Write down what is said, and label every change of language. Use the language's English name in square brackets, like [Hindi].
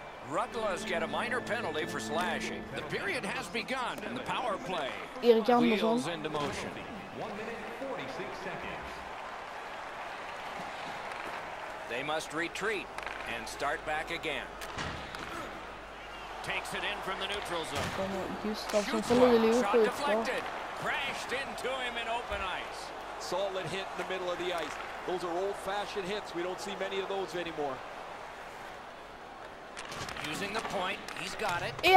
[English] Rutgers get a minor penalty for slashing. The period has begun and the power play. Erik Andersson. 1:46. They must retreat and start back again. Takes it in from the neutral zone. [Swedish] Gustafsson för Luleå skjuter. [English] Crashed into him in open ice. Solid hit in the middle of the ice. Those are old fashioned hits. We don't see many of those anymore. Using the point, he's got it.